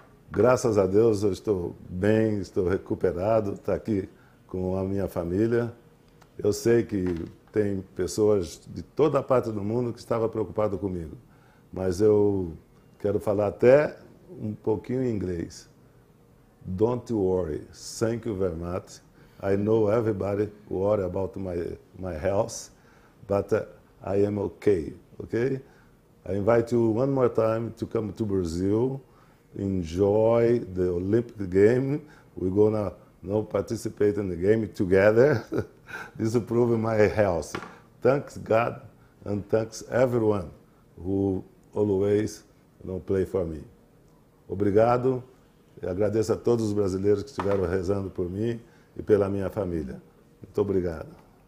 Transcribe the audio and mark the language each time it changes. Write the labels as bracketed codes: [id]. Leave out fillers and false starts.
[pt] Graças a Deus eu estou bem, estou recuperado, estou aqui com a minha família. Eu sei que tem pessoas de toda a parte do mundo que estavam preocupadas comigo, mas eu quero falar até um pouquinho em inglês. [en] Don't worry, thank you very much. I know everybody worry about my health, but I am okay, okay? I invite you one more time to come to Brazil, enjoy the Olympic game. We're gonna now participate in the game together. This will prove my health. Thanks God and thanks everyone who always play for me. [pt] Obrigado e agradeço a todos os brasileiros que estiveram rezando por mim e pela minha família. Muito obrigado.